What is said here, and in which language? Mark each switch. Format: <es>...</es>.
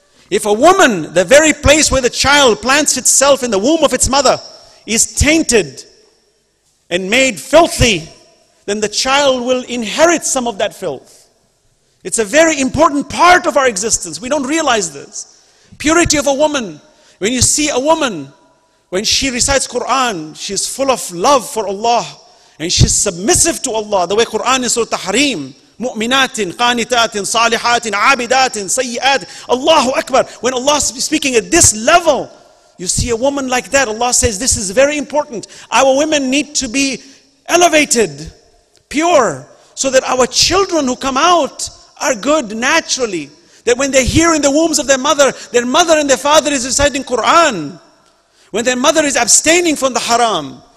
<en>If a woman, the very place where the child plants itself in the womb of its mother, is tainted and made filthy, then the child will inherit some of that filth. It's a very important part of our existence. We don't realize this. Purity of a woman. When you see a woman, when she recites Quran, she's full of love for Allah. And she's submissive to Allah. The way Quran is Surah Tahreem.</en> <ar>مُؤْمِنَاتٍ قَانِتَاتٍ صَالِحَاتٍ عَابِدَاتٍ سَيِّئَاتٍ Allahu Akbar.</ar> <en>When Allah is speaking at this level, you see a woman like that, Allah says this is very important. Our women need to be elevated, pure, so that our children who come out are good naturally. That when they're here in the wombs of their mother and their father is reciting Quran. When their mother is abstaining from the haram.</en>